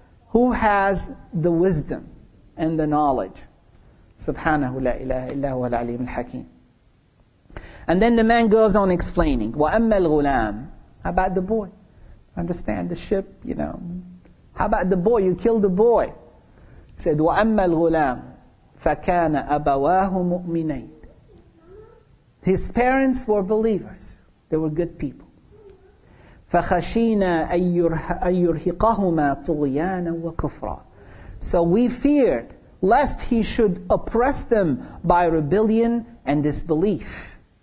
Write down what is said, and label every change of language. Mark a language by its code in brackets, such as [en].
[en] Who has the wisdom and the knowledge? [ar] Subhanahu la ilaha illa huwa al-alim al-hakim. [en] And then the man goes on explaining. [ar] وَأَمَّا الْغُلَامِ. [en] How about the boy? Understand the ship, you know. How about the boy? You killed the boy. He said, [ar] وَأَمَّا الْغُلَامِ فَكَانَ أَبَوَاهُ مُؤْمِنَيْنِ. [en] His parents were believers. They were good people. [ar] فَخَشِينَا أَيُّرْهِقَهُمَا طُغْيَانًا وَكُفْرًا. [en] So we feared lest he should oppress them by rebellion and disbelief.